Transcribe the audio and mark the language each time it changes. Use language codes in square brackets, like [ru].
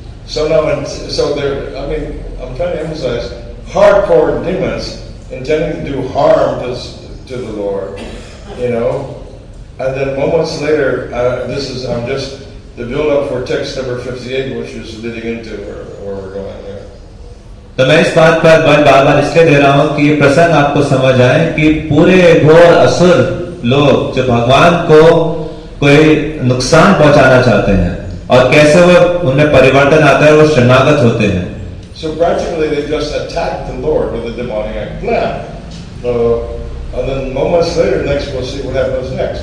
[en] I'm trying to emphasize hardcore demons intending to do harm to the Lord, you know. And then moments later, I'm just the build up for text number 58, which is leading into where we're going here. [hi] तो मैं इस बात पर बल बार बार इसलिए दे रहा हूँ कि ये प्रसंग आपको समझ आए कि पूरे घोर असुर लोग जो भगवान को कोई नुकसान पहुंचाना चाहते हैं और कैसे वो उनमें परिवर्तन आता है, वो शरणागत होते हैं. [en] So practically they just attack the Lord with a demoniac plan. And then moments later, next we'll see what happens next.